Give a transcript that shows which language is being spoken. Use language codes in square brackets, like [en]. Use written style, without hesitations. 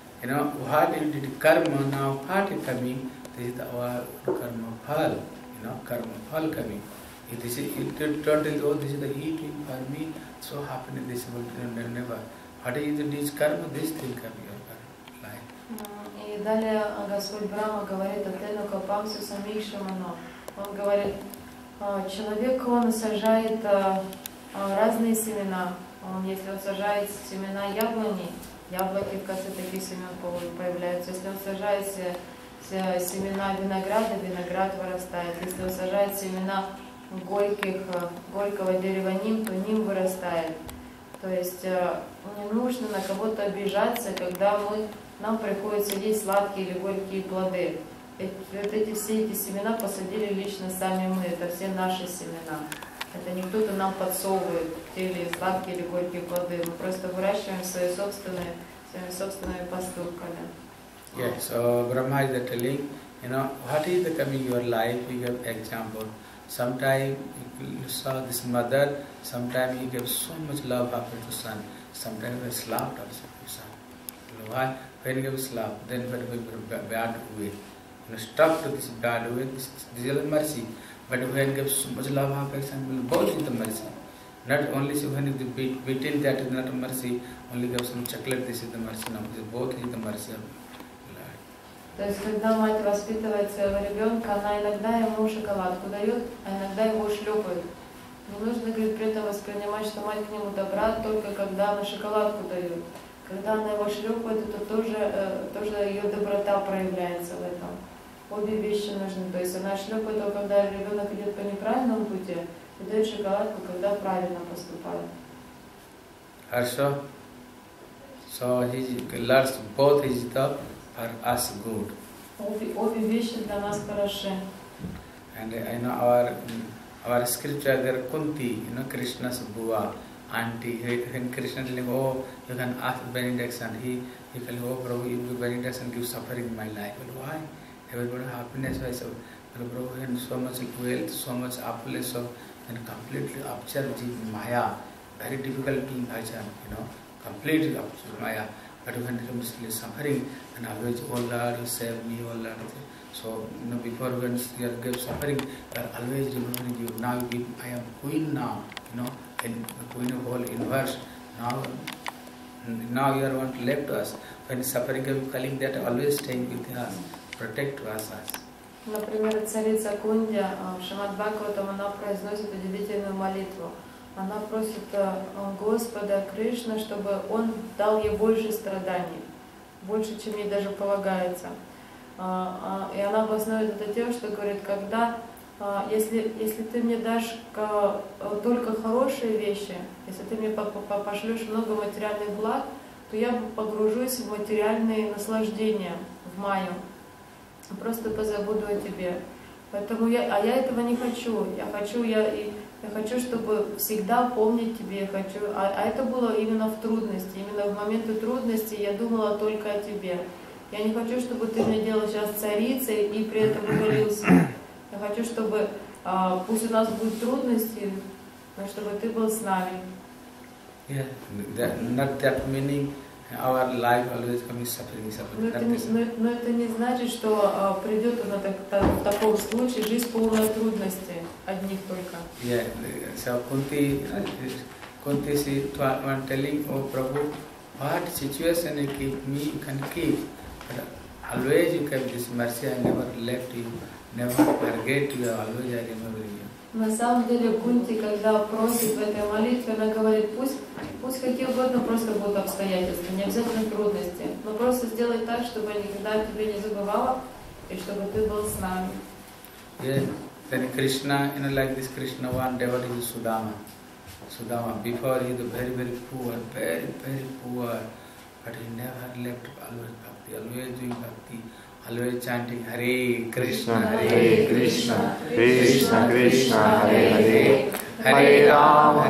[en] You know, what you did karma, now what is coming? This is our karma phal, you know, karma phal coming. If this is, if you don't tell, oh, this is the heating for me, so happening this world, you know, never. What is this karma, this thing coming, your karma, life. [ru] И далее Господь Брама говорит, [sa] Атену Капамсу Самикшамано. [ru] Он говорит, человек, он сажает разные семена. Он, если он сажает семена яблони, яблоки, в конце таких семен появляются. Если он сажает семена винограда, виноград вырастает. Если он сажает семена горького дерева ним, то ним вырастает. То есть не нужно на кого-то обижаться, когда нам приходится есть сладкие или горькие плоды. Вот эти все эти семена посадили лично сами мы, это все наши семена. Это не кто-то нам подсовывает те или сладкие или горькие плоды. Мы просто выращиваем свои собственные поступками. [en] Yes, Brahma is telling, you know, what is the coming your life? We give example. Sometime you saw this mother, sometime he gave so much love after the son. Sometimes he slapped also the son. Why? When he gave slap, then when he gave bad way. You know, stuck to this bad way, this is the mercy. But when he gave so much love after the son, both is the mercy. Not only so when he beaten, that is not mercy, only gave some chocolate, this is the mercy. No, this is both is the mercy. [ru] То есть, когда мать воспитывает своего ребенка, она иногда ему шоколадку дает, а иногда его шлепает. Но нужно, говорит, при этом воспринимать, что мать к нему добра только когда она шоколадку дает. Когда она его шлепает, это тоже ее доброта проявляется в этом. Обе вещи нужны. То есть, она шлепает его, когда ребенок идет по неправильному пути, и дает шоколадку, когда правильно поступает. Хорошо. [en] So, he learns both his job. Are us good. [ru] Обе вещи для нас хороши. [en] And I know our scripture there Kunti, you know, Krishna's Bhuva, auntie, when Krishna tells him, oh, you can ask benediction, he tells, oh, Prabhu, you give benediction, give suffering in my life. Well, why? Everybody has happiness. I said, well, Prabhu, and so much wealth, so much affluence, so, and completely observe Maya, very difficult to imagine, you know, completely observe Maya. But when he comes to suffering, and always, oh Lord, you save me, oh Lord. So, you know, before when you give suffering, you are always remembering you. Now, I am queen now, you know, in the queen of all universe. Now you are one left to us. When suffering comes, calling that, always staying with us, protect us. [ru] Например, царица Кунтия, Шримад Бхагаватам, она произносит удивительную молитву. Она просит Господа Кришна, чтобы Он дал ей больше страданий, больше, чем ей даже полагается. И она обоснует это тем, что говорит, когда, если ты мне дашь только хорошие вещи, если ты мне пошлешь много материальных благ, то я погружусь в материальные наслаждения в Майю, просто позабуду о тебе. Поэтому я этого не хочу. Я хочу, чтобы всегда помнить тебе. А это было именно в трудности. Именно в моменты трудности я думала только о тебе. Я не хочу, чтобы ты мне делал сейчас царицей и при этом говорился. Я хочу, чтобы пусть у нас будут трудности, но чтобы ты был с нами. [en] Our life always coming suffering. [ru] Но это не значит, что придет она в таком случае, жизнь полна трудностей, одних только. [en] Yeah, so Kunti is telling, oh Prabhu, what situation you keep me, you can keep, but always you have this mercy, I never left you, never forget you, always I remember you. [ru] На самом деле Кунти, когда просит в этой молитве, она говорит, пусть какие угодно просто будут обстоятельства, не обязательно трудности, но просто сделай так, чтобы я никогда о тебе не забывала и чтобы ты был с нами. [en] Yes, then Krishna, you know, like this Krishna, one devotee is Sudama. Sudama, before he was very, very poor, very, very poor, but he never left always bhakti, always doing bhakti. Always chanting Hare Krishna, [sa] Hare Krishna, Krishna Krishna, Hare Hare, Hare Ram,